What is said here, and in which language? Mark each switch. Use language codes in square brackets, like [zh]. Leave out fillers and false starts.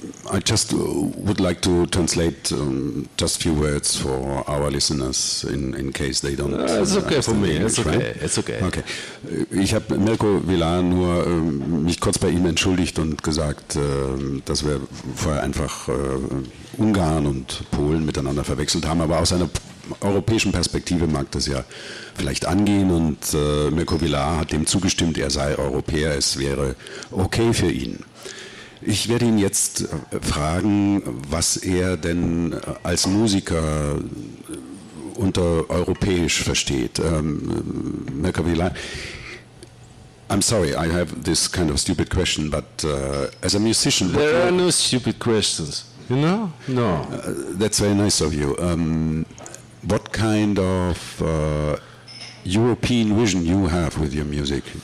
[en] I just would like to translate just a few words for our listeners, in case they don't understand. It's okay for me. It's okay. [de] Ich habe MirkoVilar nur mich kurz bei ihm entschuldigt und gesagt, dass wir vorher einfach Ungarn und Polen miteinander verwechselt haben. Aber aus einer europäischen Perspektive mag das ja vielleicht angehen. Und MirkoVilar hat dem zugestimmt, er sei Europäer. Es wäre okay für ihn. Ich werde ihn jetzt fragen, was er denn als Musiker unter europäisch versteht. [en] MirkoVilar, I'm sorry, I have this kind of stupid question, but as a musician... There are no stupid questions, you know? No. That's very nice of you. What kind of European vision you have with your music?